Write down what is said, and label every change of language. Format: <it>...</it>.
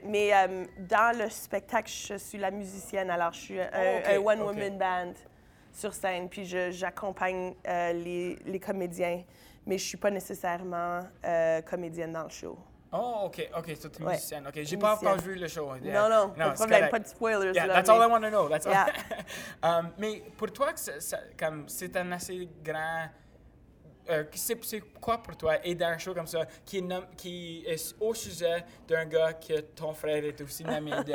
<fr>Mais dans le spectacle, je suis la musicienne, alors je suis un</fr> <en>one-woman band.</en> <fr>sur scène, puis j'accompagne les comédiens, mais je suis pas nécessairement comédienne dans le show. Oh, OK, OK, so t'es musicienne. OK, j'ai pas encore vu le show. Yeah. Non, pas de problème, pas de spoilers.</fr> <en>Yeah, that's all I want to know, that's all.</en> <fr>mais pour toi, c'est un assez grand... c'est quoi pour toi, aider un show comme ça, qui est au sujet d'un gars que ton frère est aussi nommé?</fr>